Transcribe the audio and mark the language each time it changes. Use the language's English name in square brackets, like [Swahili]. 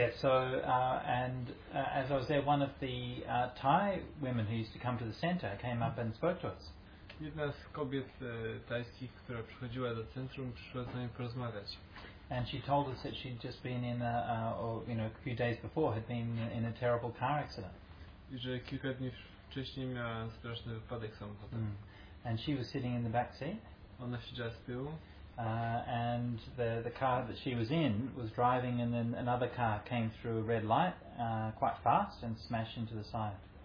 [English] So as I was there, one of the Thai women who used to come to the center came up and spoke to us. [Polish] Jedna z kobiet tajskich, która przychodziła do centrum, przyszła z nami porozmawiać. [English] And she told us that she'd just been in a few days before had been in a terrible car accident. [Polish] I że kilka dni wcześniej miała straszny wypadek samochodowy. [English] And she was sitting in the back seat. [Polish] Ona siedziała z tyłu. [English] And the car that she was in was driving, and then another car came through a red light quite fast and smashed into the side.